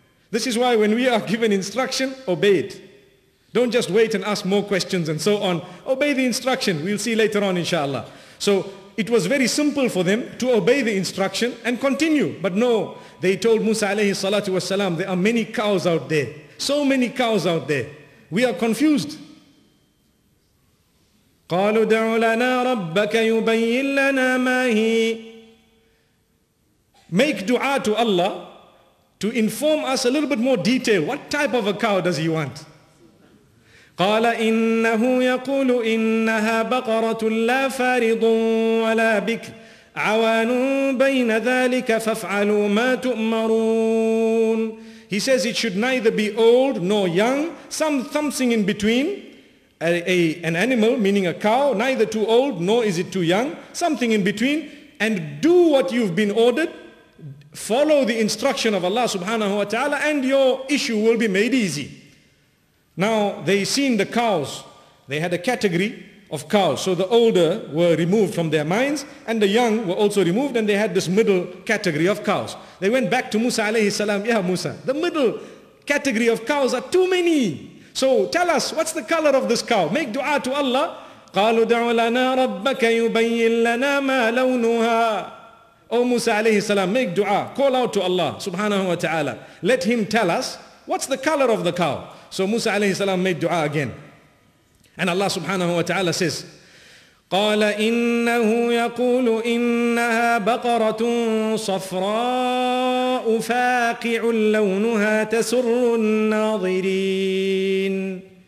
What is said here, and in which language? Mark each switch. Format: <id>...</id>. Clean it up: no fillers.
<en>This is why when we are given instruction, obey it. Don't just wait and ask more questions and so on. Obey the instruction. We'll see later on, inshallah. So it was very simple for them to obey the instruction and continue. But no, they told Musa alayhi salatu wasalam, there are many cows out there. So many cows out there. We are confused.</en> <ar>قالوا ادع لنا ربك يبين لنا ما هي.</ar> <en>Make dua to Allah to inform us a little bit more detail. What type of a cow does he want?</en> <ar>قال إنه يقول إنها بقرة لا فارض ولا بك عوان بين ذلك فافعلوا ما تؤمرون.</ar> <en>He says it should neither be old nor young, something in between, an animal meaning a cow, neither too old nor is it too young, something in between, and do what you've been ordered, follow the instruction of Allah subhanahu wa ta'ala, and your issue will be made easy. Now they seen the cows, they had a category of cows, so the older were removed from their minds and the young were also removed, and they had this middle category of cows. They went back to Musa alayhi salam. Yeah, Musa, the middle category of cows are too many, so tell us, what's the color of this cow? Make dua to Allah.</en> <ar>قالوا دع لنا ربك يبين لنا ما لونها.</ar> <en>Oh Musa alayhi salam, make dua, call out to Allah subhanahu wa ta'ala, let him tell us what's the color of the cow. So Musa alayhi salam made dua again. And Allah subhanahu wa ta'ala says,</en> <ar>قَالَ إِنَّهُ يَقُولُ إِنَّهَا بَقَرَةٌ صَفْرَاءُ فَاقِعٌ لَوْنُهَا تَسُرُّ النَّاظِرِينَ.</ar>